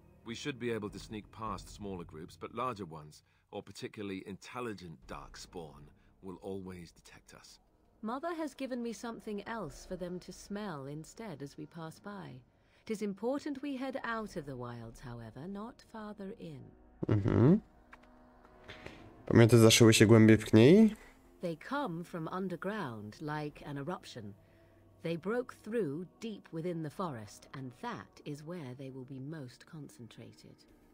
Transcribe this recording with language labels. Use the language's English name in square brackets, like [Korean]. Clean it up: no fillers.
[English] We should be able to sneak past smaller groups, but larger ones, or particularly intelligent Darkspawn, will always detect us. Mother has given me something else for them to smell instead as we pass by. It is important we head out of the wilds, however, not farther in. [Polish] Pomioty zaszyły się głębiej w kniei. [English] They come from underground, like an eruption. They broke through deep within the forest, and that is where they will be most concentrated.